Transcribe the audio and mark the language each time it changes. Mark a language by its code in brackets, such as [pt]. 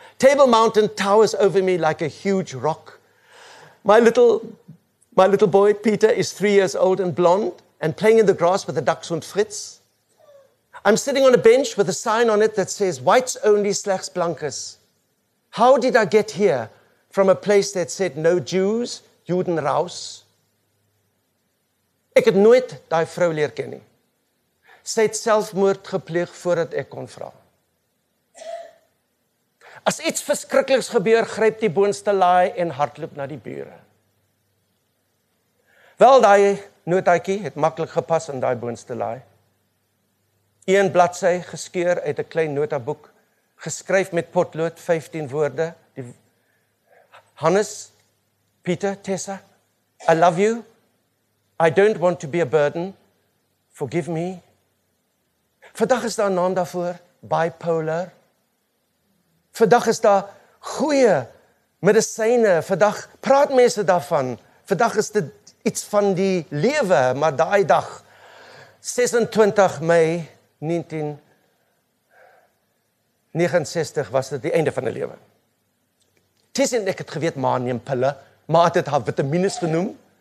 [en] Table Mountain towers over me like a huge rock. My little boy, Peter, is 3 years old and blonde and playing in the grass with the ducks und Fritz. I'm sitting on a bench with a sign on it that says, Whites only [af] slechts blankes. [en] How did I get here from a place that said, no Jews, [de] Juden raus? [af] Ek het nooit die vrou leer ken nie. Sy het selfmoord gepleeg voordat ek kon vra. As iets verskrikliks gebeur, gryp die boonste laai en hardloop na die bure. Wel, daai notaatjie het maklik gepas in daai boonste laai. Een bladsy geskeur uit 'n klein notaboek, geskryf met potlood 15 woorde. [en] Hannes, Peter, Tessa, I love you. I don't want to be a burden. Forgive me. [af] Vandag is daar 'n naam daarvoor, bipolar. Vandag is daar goeie medisyne. Vandag praat mense daarvan. Vandag is dit iets van die lewe, maar daai dag 26 Mei 1969 was dit die einde van 'n lewe. Tess en ek het geweet ma neem pille, maar het dit haar vitamines genoem.